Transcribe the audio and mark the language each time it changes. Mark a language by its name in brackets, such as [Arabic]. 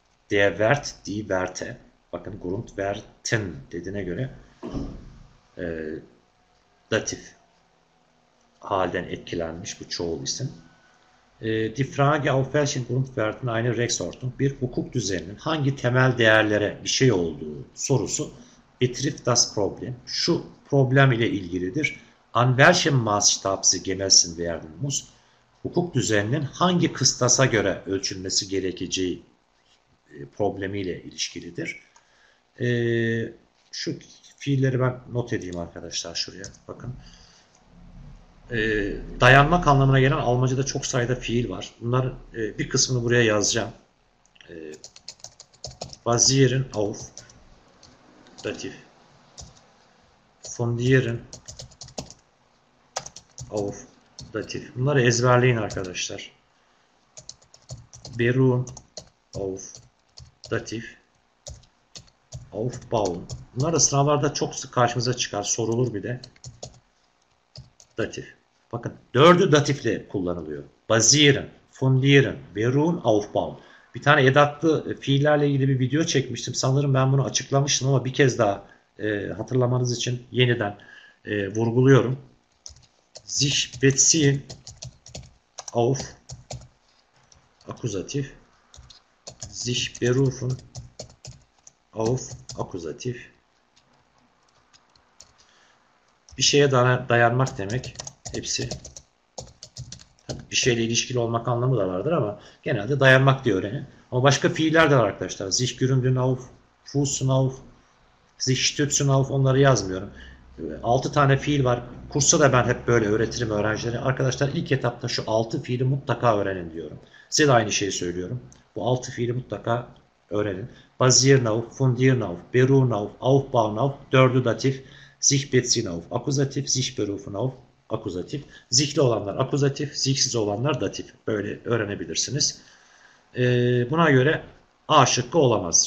[German] Der Wert, die Werte. [Turkish] Bakın Grundwerten dediğine göre datif halden etkilenmiş bu çoğul isim. [German] Die Frage auf welchen Grundwerten eine Rechtsordnung, [Turkish] bir hukuk düzeninin hangi temel değerlere bir şey olduğu sorusu [German] betrifft das Problem. [Turkish] Şu problem ile ilgilidir. [German] An welchem Maßstab sie gemessen werden muss? [Turkish] Hukuk düzeninin hangi kıstasa göre ölçülmesi gerekeceği problemiyle ilişkilidir. Şu fiilleri ben not edeyim arkadaşlar şuraya. Bakın. Dayanmak anlamına gelen Almanca'da çok sayıda fiil var. Bunların bir kısmını buraya yazacağım. [German] Basieren auf datif. Fundieren auf datif. [Turkish] Bunları ezberleyin arkadaşlar. Beruhen auf datif. Aufbauen. Bunlar da sınavlarda çok sık karşımıza çıkar. Sorulur bir de. Datif. Bakın dördü datifle kullanılıyor. [German] Basieren, fundieren, beruhen, aufbauen. [Turkish] Bir tane edatlı fiillerle ilgili bir video çekmiştim. Sanırım ben bunu açıklamıştım ama bir kez daha hatırlamanız için yeniden vurguluyorum. [German] Sich beziehen auf akkusativ. Sich berufen auf akkusativ. [Turkish] Bir şeye dayanmak demek. Hepsi bir şeyle ilişkili olmak anlamı da vardır ama genelde dayanmak diye öğrenin. Ama başka fiiller de var arkadaşlar. [German] Sich gründen auf, fußen auf, sich stützen auf, [Turkish] onları yazmıyorum. 6 tane fiil var. Kursa da ben hep böyle öğretirim öğrencilere. Arkadaşlar ilk etapta şu 6 fiili mutlaka öğrenin diyorum. Size de aynı şeyi söylüyorum. Bu 6 fiili mutlaka öğrenin. [German] Basieren auf, fundieren auf, beruhen auf, aufbauen auf, dördü datif, sich beziehen auf, akkusativ, sich berufen auf, [Turkish] akuzatif. Zihli olanlar akuzatif, zihsiz olanlar datif. Böyle öğrenebilirsiniz. Buna göre A şıkkı olamaz.